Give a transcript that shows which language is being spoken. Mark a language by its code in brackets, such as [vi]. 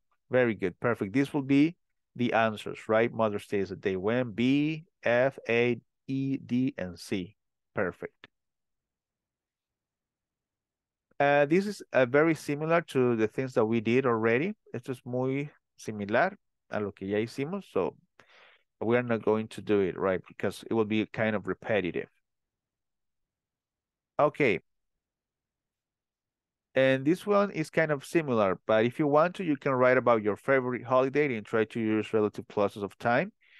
[en] Very good. Perfect. This will be the answers, right? Mother's Day is a day when. B, F, A, E, D, and C. Perfect. This is very similar to the things that we did already. [es] Esto es muy similar a lo que ya hicimos. [en] So we are not going to do it, right? Because it will be kind of repetitive. Okay. And this one is kind of similar, but if you want to, you can write about your favorite holiday and try to use relative clauses of time.